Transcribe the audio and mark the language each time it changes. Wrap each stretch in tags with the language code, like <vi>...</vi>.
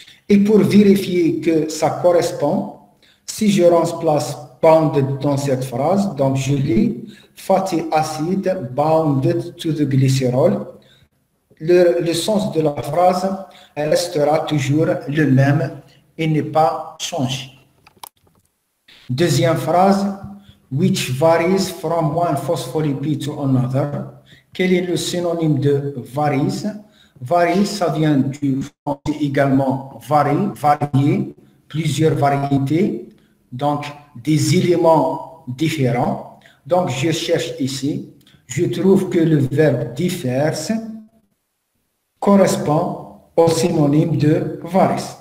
<fr>Et pour vérifier que ça correspond, si je remplace bounded dans cette phrase, donc je lis</fr> <en>fatty acid bounded to the glycerol.</en> <fr>Le sens de la phrase restera toujours le même et n'est pas changé. Deuxième phrase,</fr> <en>which varies from one phospholipid to another.</en> <fr>Quel est le synonyme de varies? Varies, ça vient du français également varier, plusieurs variétés, donc des éléments différents. Donc je cherche ici, je trouve que le verbe diffère correspond au synonyme de varies.</fr>